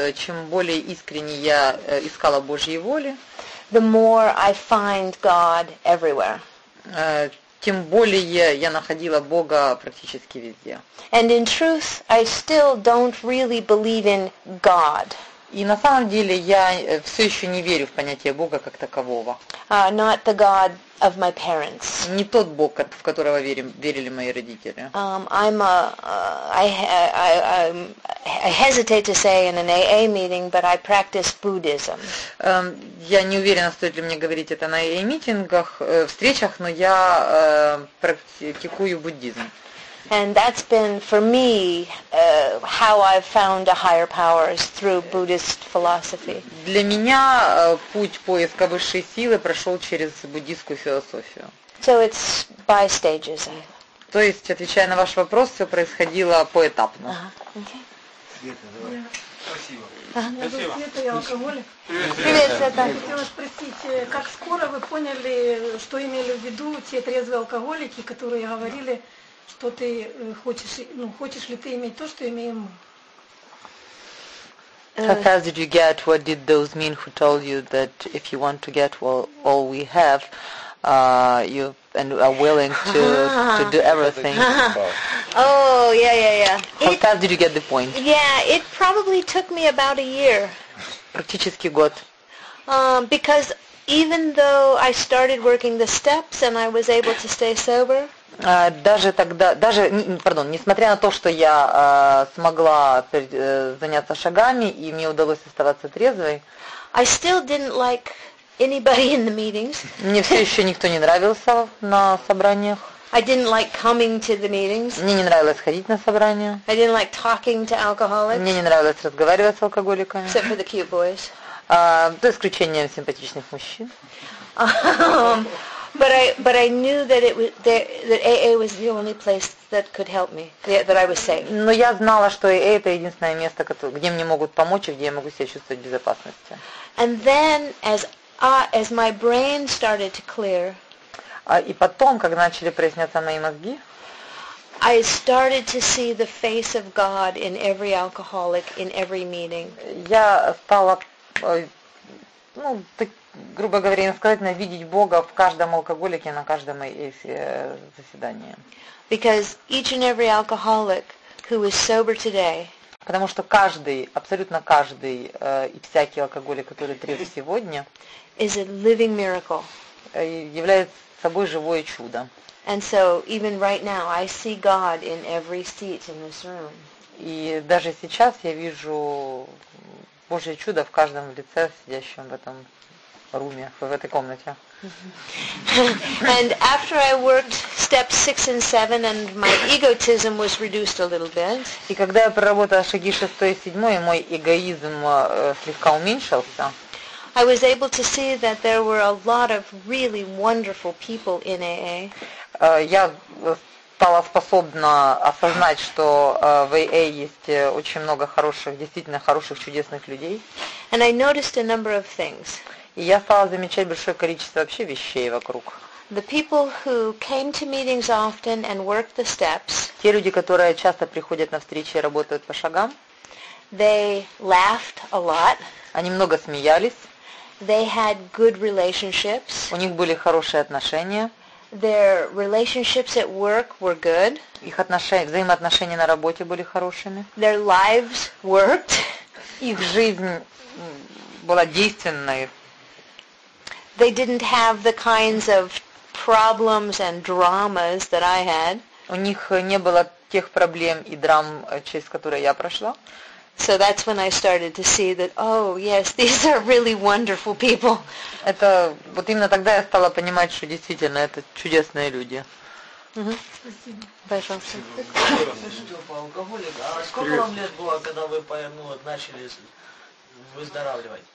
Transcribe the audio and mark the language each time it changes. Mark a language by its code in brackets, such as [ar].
[ru] Чем более искренне я искала Божьей воли, [en] the more I find God everywhere. [ru] Тем более я находила Бога практически везде. [en] And in truth, I still don't really believe in God. [ru] И на самом деле я все еще не верю в понятие Бога как такового. [en] Not the God of my parents. [ru] Не тот Бог, в которого верили мои родители. [en] I hesitate to say in an AA meeting, but I practice Buddhism. [ru] Я не уверена, стоит ли мне говорить это на AA митингах, встречах, но я практикую буддизм. [en] And that's been for me how I've found a higher power is through Buddhist philosophy. [ru] Для меня путь поиска высшей силы прошел через буддийскую философию. [en] So it's by stages. [ru] То есть, отвечая на ваш вопрос, все происходило поэтапно. Привет, Света. Хотела спросить, как скоро вы поняли, что имели в виду те трезвые алкоголики, которые говорили, что ты хочешь, ну, хочешь ли ты иметь то, что имеем мы? [en] How fast did you get? What did those mean who told you that if you want to get all we have, you and are willing to do everything? Oh, yeah. How fast did you get the point? Yeah, it probably took me about a year. [ru] Практически год. [en] Because even though I started working the steps and I was able to stay sober, [ru] даже тогда, даже, pardon, несмотря на то, что я смогла заняться шагами и мне удалось оставаться трезвой, [en] I still didn't like anybody in the meetings. [ru] Мне все еще никто не нравился на собраниях. [en] I didn't like coming to the meetings. [ru] Мне не нравилось ходить на собрания. [en] I didn't like talking to alcoholics. [ru] Мне не нравилось разговаривать с алкоголиками. [en] Except for the cute boys. [ru] За исключением симпатичных мужчин. [en] But I knew that it was that AA was the only place that could help me. That I was safe. [ru] Но я знала, что AA это единственное место, где мне могут помочь и где я могу себя чувствовать в безопасности. [en] And then as my brain started to clear. [ru] И потом, когда начали проясняться мои мозги, [en] I started to see the face of God in every alcoholic, in every meeting. [ru] Я стала, ну, так, грубо говоря, иносказательно видеть Бога в каждом алкоголике, на каждом заседании. [en] Because each and every alcoholic who is sober today. [ru] Потому что каждый, абсолютно каждый и всякий алкоголик, который трезв сегодня, [en] is a living miracle. [ru] Является собой живое чудо. [en] And so even right now I see God in every seat in this room. [ru] И даже сейчас я вижу Божье чудо в каждом лице сидящем в этом руме, в этой комнате. [en] And after I worked steps 6 and 7 and my egotism was reduced a little bit. [ru] И когда я проработала шаги 6 и 7, мой эгоизм слегка уменьшился. [en] I was able to see that there were a lot of really wonderful people in AA. [ru] Я стала способна осознать, что в АА есть очень много хороших, действительно хороших, чудесных людей. [en] And I noticed a number of things. [ru] И я стала замечать большое количество вообще вещей вокруг. [en] The people who came to meetings often and worked the steps. [ru] Те люди, которые часто приходят на встречи и работают по шагам. [en] They laughed a lot. [ru] Они много смеялись. [en] They had good relationships. [ru] У них были хорошие отношения. [en] Their relationships at work were good. [ru] Их отношения, взаимоотношения на работе были хорошими. [en] Their lives worked. [ru] Их жизнь была действенной. [en] They didn't have the kinds of problems and dramas that I had. [ru] У них не было тех проблем и драм, через которые я прошла. [en] So that's when I started to see that, oh, yes, these are really wonderful people. [ru] Это вот именно тогда я стала понимать, что действительно это чудесные люди. Спасибо. Пожалуйста. Степа, алкоголик, а сколько вам лет было, когда вы начали выздоравливать?